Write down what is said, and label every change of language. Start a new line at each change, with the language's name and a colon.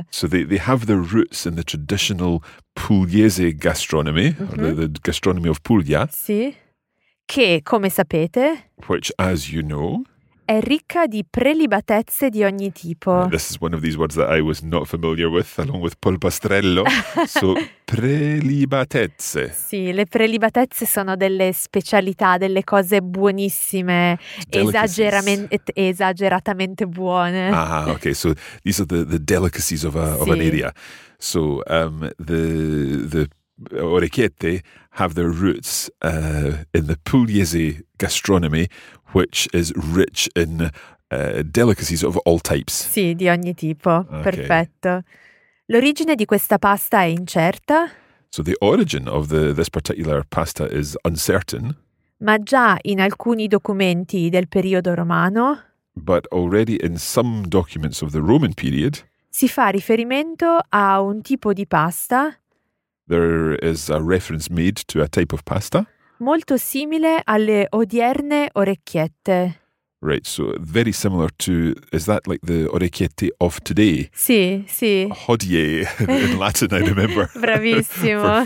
English: So they have their roots in the traditional Pugliese gastronomy, mm-hmm. the gastronomy of Puglia.
Italian: Sì. Che, come sapete,
English: which, as you know,
Italian: è ricca di prelibatezze di ogni tipo.
English: This is one of these words that I was not familiar with, along with polpastrello. So, prelibatezze.
Italian: Sì, le prelibatezze sono delle specialità, delle cose buonissime, esageratamente buone.
English: Ah, ok, so these are the delicacies of, a, sì. of an area. So, the orecchiette have their roots in the Pugliese gastronomy, which is rich in delicacies of all types.
Italian: Sì, di ogni tipo. Okay. Perfetto. L'origine di questa pasta è incerta.
English: So the origin of this particular pasta is uncertain.
Italian: Ma già in alcuni documenti del periodo romano.
English: But already in some documents of the Roman period.
Italian: Si fa riferimento a un tipo di pasta.
English: There is a reference made to a type of pasta.
Italian: Molto simile alle odierne orecchiette.
English: Right, so very similar to, is that like the orecchiette of today?
Italian: Sì, sì.
English: Hodie in Latin, I remember.
Italian: Bravissimo.